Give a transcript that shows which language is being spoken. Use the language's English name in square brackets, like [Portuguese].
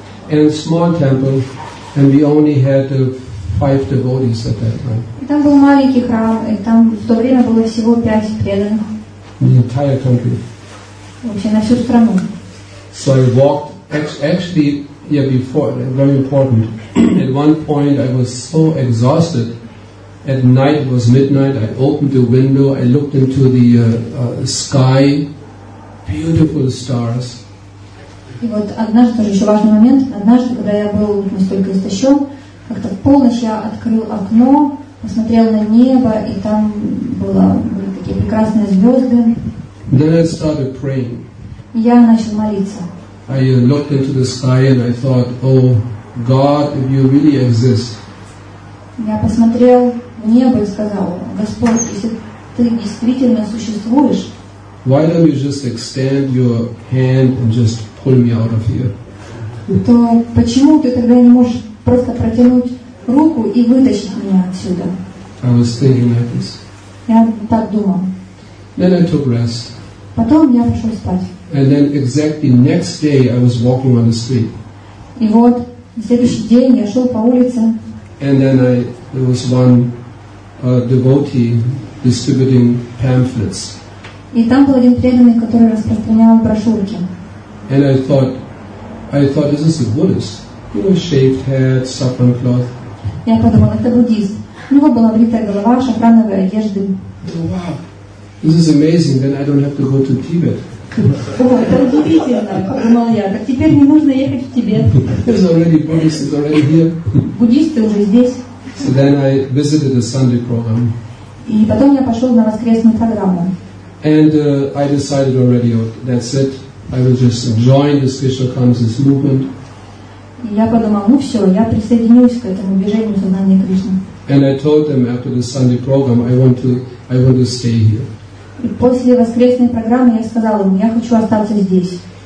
[English] And a small temple, and we only had a 5 devotees at that time. [Russian] Там был маленький храм, и там в то время было всего 5 преданных. [English] The entire country. [Russian] Вообще на всю страну. [English] So I walked, actually, yeah, before, very important. At one point I was so exhausted. At night, it was midnight, I opened the window, I looked into the sky, beautiful stars. [Russian] И вот однажды, тоже еще важный момент, однажды, когда я был настолько истощен, как-то в полночь я открыл окно, посмотрел на небо, и там были такие прекрасные звезды. [English] Then I started praying. [Russian] Я начал молиться. [English] I looked into the sky and I thought, oh God, if you really exist. [Russian] Я посмотрел в небо и сказал, Господь, если ты действительно существуешь, [English] why don't you just extend your hand and just pull me out of here? [Russian] То почему ты тогда не можешь просто протянуть руку и вытащить меня отсюда. [English] I was thinking like this. [Russian] Я так думал. [English] Then I took rest. [Russian] Потом я пошел спать. [English] And then exactly next day I was walking on the street. [Russian] И вот на следующий день я шел по улице. [English] And then there was one devotee distributing pamphlets. [Russian] И там был один преданный, который распространял брошюрки. [English] And I thought this is a Buddhist. You know, shaved head, saffron cloth. [Russian] Я подумал, это буддист. У него была бритая голова, шафрановые одежды. [English] Wow, this is amazing. Then I don't have to go to Tibet. [Russian] О, это удивительно, подумал я. Так теперь не нужно ехать в Тибет. [English] There's already Buddhists. It's already here. [Russian] Буддисты уже здесь. [English] So then I visited a Sunday program. [Russian] И потом я пошел на воскресную программу. [English] And I decided already, that's it. I will just join the Krishna consciousness movement. [Russian] И я подумал, ну все, я присоединюсь к этому движению сознания Кришны. [English] And I told them after the Sunday program, I want to stay here. [Russian] И после воскресной программы я сказал им, я хочу остаться здесь.